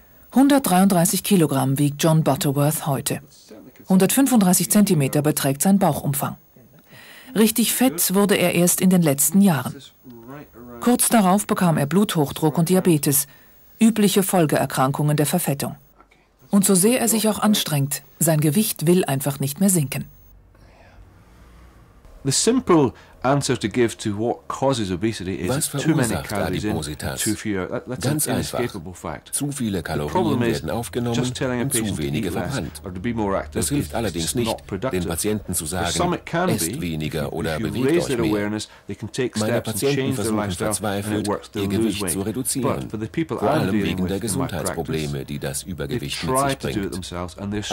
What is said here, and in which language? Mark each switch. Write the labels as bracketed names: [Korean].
[German] 133 Kilogramm wiegt John Butterworth heute. 135 Zentimeter beträgt sein Bauchumfang. Richtig fett wurde er erst in den letzten Jahren. Kurz darauf bekam er Bluthochdruck und Diabetes, übliche Folgeerkrankungen der Verfettung. Und so sehr er sich auch anstrengt, sein Gewicht will einfach nicht mehr sinken. [English] The simple answer to give to what causes obesity is was too many calories [German] Adipositas? [English] In, too few. That's an inescapable fact. [German] Zu viele Kalorien werden aufgenommen und zu wenige verbrannt. Das hilft allerdings nicht, den Patienten zu sagen, esst weniger oder bewegt euch mehr. Meine Patienten versuchen verzweifelt, ihr Gewicht zu reduzieren, vor allem wegen der Gesundheitsprobleme, die das Übergewicht mit sich bringt.